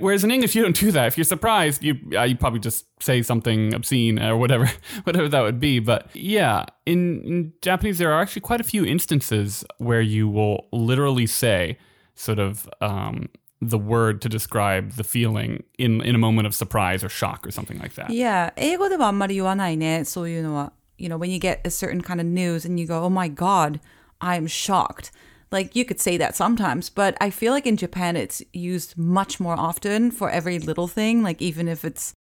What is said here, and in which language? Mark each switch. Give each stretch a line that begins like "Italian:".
English: Whereas in English, you don't do that. If you're surprised, you probably just say something obscene or whatever that would be. But yeah, in Japanese, there are actually quite a few instances where you will literally say sort of the word to describe the feeling in a moment of surprise or shock or something like that.
Japanese: Yeah, 英語ではあんまり言わないね、そういうのは。
English: You know, when you get a certain kind of news and you go, oh my God, I'm shocked. Like, you could say that sometimes, but I feel like in Japan, it's used much more often for every little thing, like even if it's...